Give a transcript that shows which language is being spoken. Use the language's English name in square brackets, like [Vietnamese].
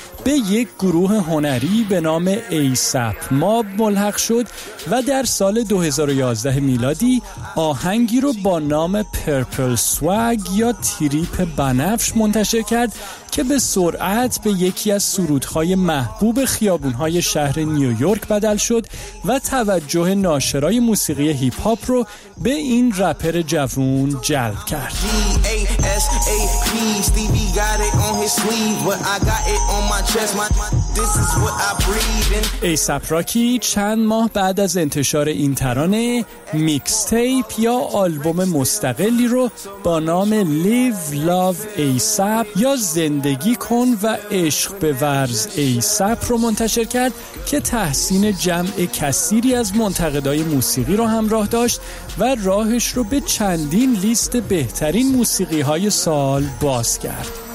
[Persian] به یک گروه هنری به نام ایساپ ماب ملحق شد و در سال 2011 میلادی آهنگی رو با نام پرپل سواگ یا تریپ بنفش منتشر کرد که به سرعت به یکی از سرودهای محبوب خیابونهای شهر نیویورک بدل شد و توجه ناشرای موسیقی هیپ هاپ رو به این رپر جوان جلب کرد. [English] G-A-S-A-P, Stevie got it on his sleeve, but I got it on my chest. This is what I breathe in. [Persian] ASAP Rocky چند ماه بعد از انتشار این ترانه میکس تیپ یا آلبوم مستقلی رو با نام Live Love ASAP یا زندگی کن و عشق به ورز ASAP رو منتشر کرد که تحسین جمع کثیری از منتقدای موسیقی رو همراه داشت و راهش رو به چندین لیست بهترین موسیقی های سال باز کرد.